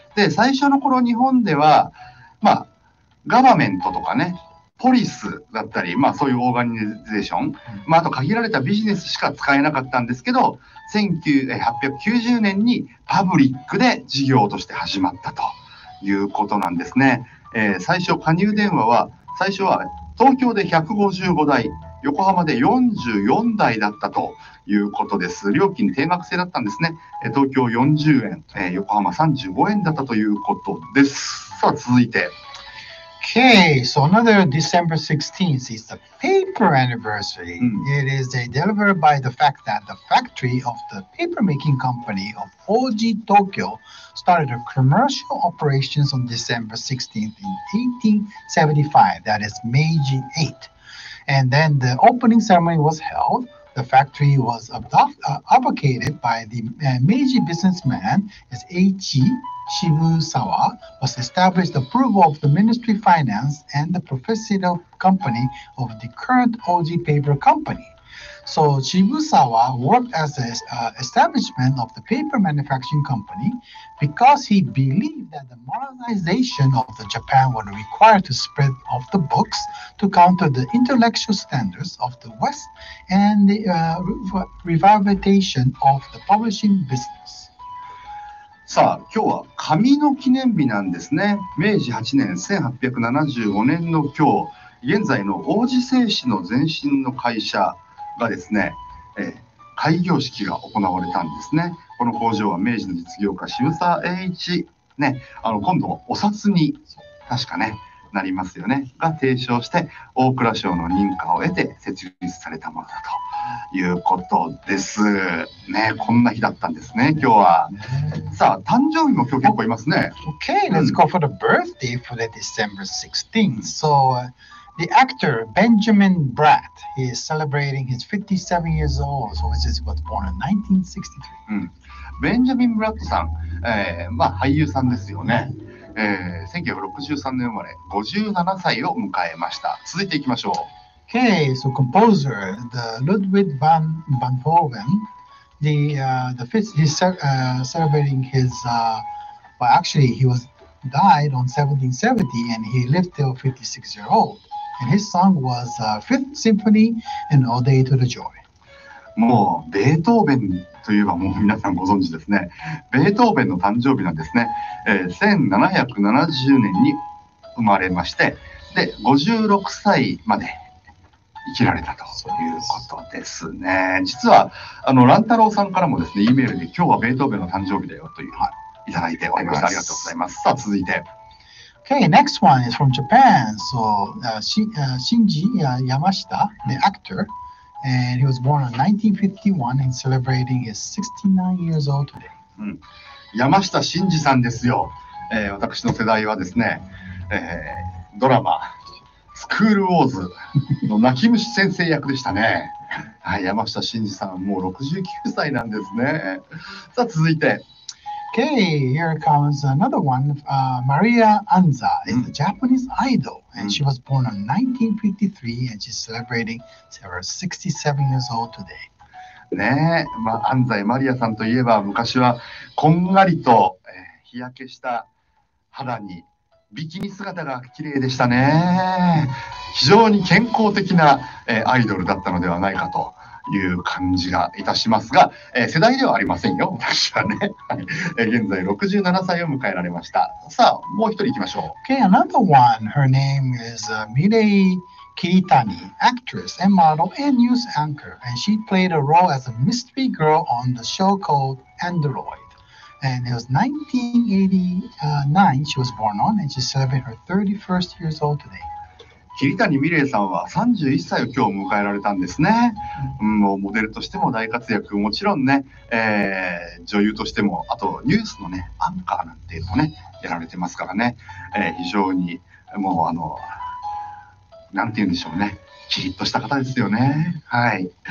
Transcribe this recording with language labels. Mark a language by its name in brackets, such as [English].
[Japanese] で、最初の頃日本では、まあ、ガバメントとかね、ポリスだったり、まあそういうオーガニゼーション、まああと限られたビジネスしか使えなかったんですけど、1890年にパブリックで事業として始まったということなんですね。最初、加入電話は、最初は東京で155台、横浜で44台だったということです。料金定額制だったんですね。東京40円、横浜35円だったということです。さあ、続いて。 [English] Okay, so another December 16th is the paper anniversary.、うん、It is delivered by the fact that the factory of the paper making company of OG Tokyo started a commercial operations on December 16th in 1875, that is Meiji 8. And then the opening ceremony was held. The factory was advocated by the、Meiji businessman as Eiichi. Shibusawa was established approval of the Ministry of Finance and the professional company of the current OG Paper Company. So Shibusawa worked as an、establishment of the paper manufacturing company because he believed that the modernization of the Japan would require to spread of the books to counter the intellectual standards of the West and the、revitalization of the publishing business. [Japanese] さあ、今日は紙の記念日なんですね。明治8年、1875年の今日、現在の王子製紙の前身の会社がですね、開業式が行われたんですね。この工場は明治の実業家渋沢栄一、ね、今度お札に確かね、なりますよね、が提唱して大蔵省の認可を得て設立されたものだということですね。こんな日だったんですね、今日は。さあ、誕生日も今日結構いますね。 [English] Okay, let's go for the birthday for the December 16th. So、the actor Benjamin Bratt, he is celebrating his 57 years old. So he was born in 1963. [Japanese] ベンジャミン・ブラットさん、まあ俳優さんですよね。 1963年生まれ、57歳を迎えました。続いていきましょう。 [English] Okay, so composer, the Ludwig van Beethoven, the, the fifth, he's celebrating his, well, actually, he was died on 1770 and he lived till 56 years old. And his song was Fifth Symphony and Ode to the Joy. [Japanese] もう、ベートーベンといえばもう皆さんご存知ですね。ベートーベンの誕生日なんですね。1770年に生まれまして、で、56歳まで生きられたということですね。実は乱太郎さんからもですね、E メールで今日はベートーベンの誕生日だよという、はい、いただいておりました。ありがとうございます。さあ、続いて。 [English] Okay, next one is from Japan. So, Shinji Yamashita, the actor, and he was born in 1951 and celebrating his 69 years old today. [Japanese] 山下真嗣さんですよ。私の世代はですね、ドラマ、スクールウォーズの泣き虫先生役でしたね。はい、山下真嗣さん、もう69歳なんですね。さあ、続いて。 [English] Okay, here comes another one. Maria Anza is a Japanese idol, and she was born in 1953, and she's celebrating her 67 years old today. [Japanese] ねえ、まあ、安西マリアさんといえば、昔はこんがりと、日焼けした肌に、ビキニ姿が綺麗でしたね。非常に健康的な、アイドルだったのではないかという感じがいたしますが、世代ではありませんよ、私はね。現在67歳を迎えられました。さあ、もう一人行きましょう。 [English] Okay, another one. Her name is Mirei Kiritani, actress and model and news anchor. And she played a role as a mystery girl on the show called Android. And it was 1989 she was born on, and she's celebrating her 31st years old today. [Japanese] 桐谷美玲さんは31歳を今日迎えられたんですね。もうモデルとしても大活躍、もちろんね、女優としても、あとニュースのね、アンカーなんていうのもね、やられてますからね、非常にもうなんて言うんでしょうね、キリッとした方ですよね。はい。